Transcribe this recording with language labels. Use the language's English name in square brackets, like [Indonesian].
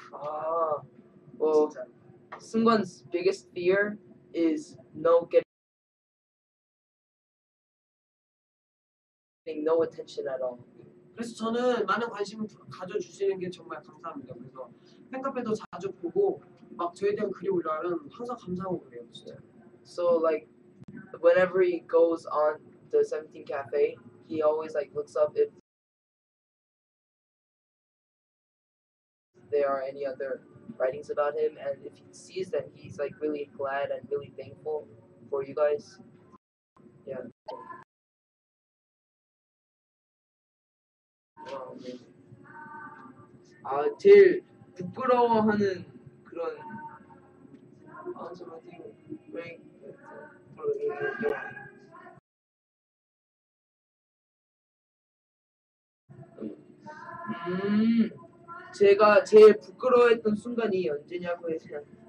[Korean] 아, 뭐 [English] 승관's biggest fear is no getting no attention at all. [Korean] 그래서 저는 많은 관심을 가져주시는 게 정말 감사합니다. 그래서 팬카페도 자주 보고 막 저에 대한 글이 올라오면 항상 감사하고 그래요, 진짜. [English] So like whenever he goes on the 17 cafe, he always like looks up if there are any other writings about him, and if he sees that, he's like really glad and really thankful for you guys. Yeah. Wow. [Korean] 아 제일 부끄러워하는 그런 제가 제일 부끄러워했던 순간이 언제냐고 했어요.